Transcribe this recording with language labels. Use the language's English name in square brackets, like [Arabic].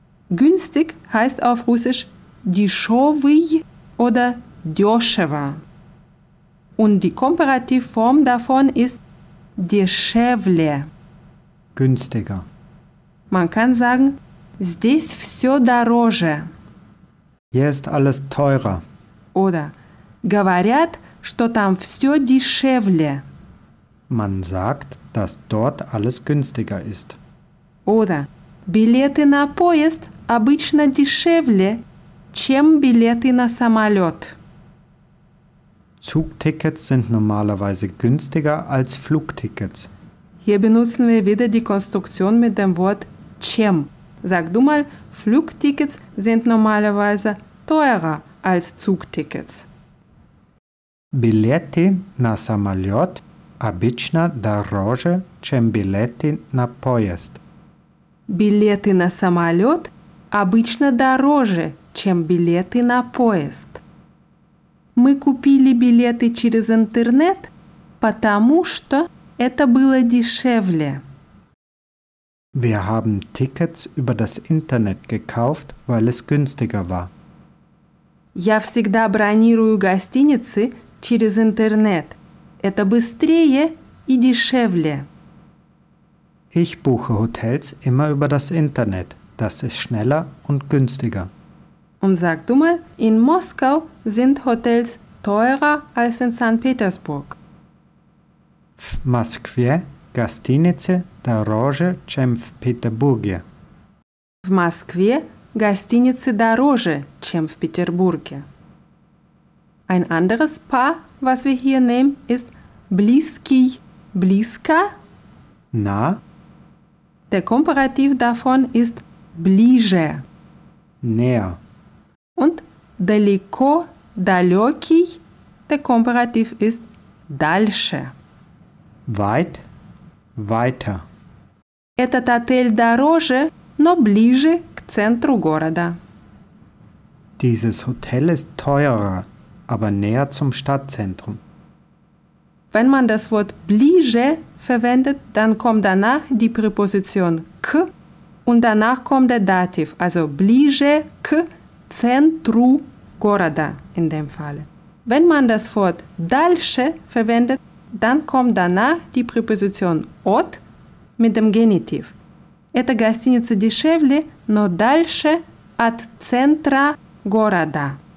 [German] Günstig heißt auf Russisch дешевый oder дешево. Und die Komparativform davon ist дешевле. Günstiger. Man kann sagen [Russian] здесь все дороже. [German] Hier ist alles teurer. [Russian] Oder говорят, что там все дешевле. [German] Man sagt, dass dort alles günstiger ist. [Russian] Oder билеты на поезд обычно дешевле, чем билеты на самолет. [German] Zugtickets sind normalerweise günstiger als Flugtickets. Hier benutzen wir wieder die Konstruktion mit dem Wort чем. Sag du mal, Flugtickets sind normalerweise teurer als Zugtickets. [Russian] Билеты на самолет обычно дороже, чем билеты на поезд. Билеты на самолет обычно дороже, чем билеты на поезд. Мы купили билеты через интернет, потому что это было дешевле. [German] Wir haben Tickets über das Internet gekauft, weil es günstiger war. [Russian] Я всегда бронирую гостиницы через интернет. Это быстрее и дешевле. [German] Ich buche Hotels immer über das Internet. Das ist schneller und günstiger. Und sag du mal, in Moskau sind Hotels teurer als in St. Petersburg. [Russian] В Москве гостиницы дороже, чем в Петербурге. В Москве гостиницы дороже, чем в Петербурге. [German] Ein anderes Paar, was wir hier nehmen, ist близкий, близко. [Russian] На. [German] Der Komparativ davon ist ближе. Näher. [Russian] Und далеко, далекий. [German] Der Komparativ ist дальше. Weit, weiter. [Russian] Этот отель дороже, но ближе к центру города. [German] Dieses Hotel ist teurer, aber näher zum Stadtzentrum. Wenn man das Wort ближе verwendet, dann kommt danach die Präposition к und danach kommt der Dativ, also [Russian] ближе к центру города [German] in dem Fall. Wenn man das Wort дальше verwendet, dann kommt danach die Präposition от mit dem Genitiv. [Russian] Эта гостиница дешевле, но дальше от центра города.